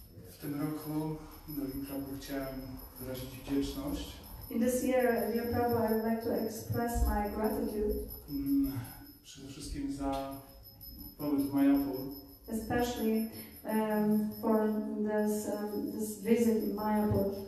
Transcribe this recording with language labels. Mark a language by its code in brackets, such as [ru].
[pl] W tym roku Nowym Prabhu chciałem wyrazić wdzięczność. [en] In this year, dear Prabhu, I would like to express my gratitude. [pl] Przede wszystkim za pobyt w Mayapur. [en] Especially for this visit in Mayapur.